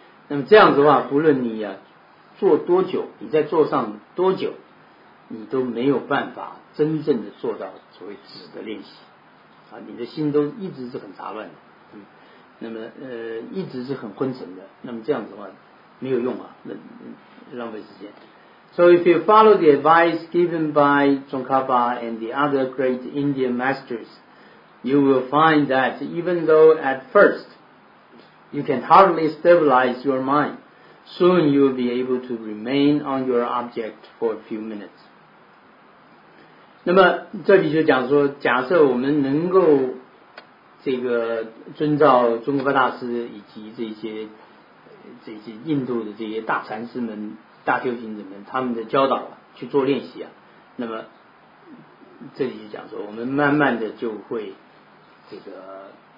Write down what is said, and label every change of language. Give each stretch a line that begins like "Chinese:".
Chinese: 那么这样子的话，不论你啊坐多久，你在坐上多久，你都没有办法真正的做到所谓止的练习啊，你的心都一直是很杂乱的，那么一直是很昏沉的，那么这样子的话没有用啊，浪费时间。
English: So if you follow the advice given by Tsongkhapa and the other great Indian masters, you will find that even though at first you can hardly stabilize your mind, soon you will be able to remain on your object for a few minutes.
Chinese: 那么这里就讲说，假设我们能够这个遵照中国大师以及这些印度的这些大禅师们、大修行者们他们的教导去做练习啊，那么这里就讲说，我们慢慢的就会这个